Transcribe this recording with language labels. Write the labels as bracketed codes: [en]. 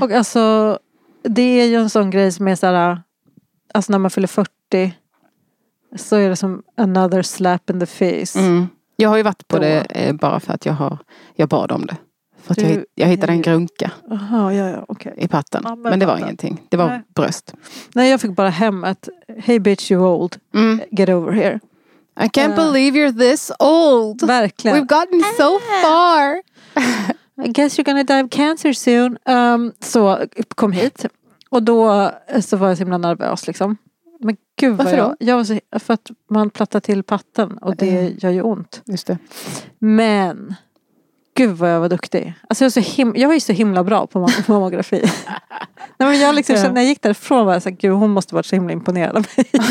[sv] Och alltså, det är ju en sån grej som är såhär, alltså när man fyller 40, så är det som [en] another slap in the face. [sv] Jag har ju varit på det bara för att jag bad om det. För att jag hittade en grunka i patten. Ja, men det var ingenting. Det var bröst. Nej, jag fick bara hem att [en] hey bitch, you old. Get over here. I can't believe you're this old. [sv] Verkligen. [en] We've gotten so far. I guess you're gonna die of cancer soon. [sv] Så kom hit. Och då så var jag så himla nervös liksom. Men gud vad jag var så, för att man plattar till patten. Och det gör ju ont. Just det. Men... Gud vad jag var duktig. Alltså jag var ju så himla bra på mammografi. Nej, men jag liksom, när jag gick därifrån var jag så här, gud, hon måste varit så himla imponerad av mig.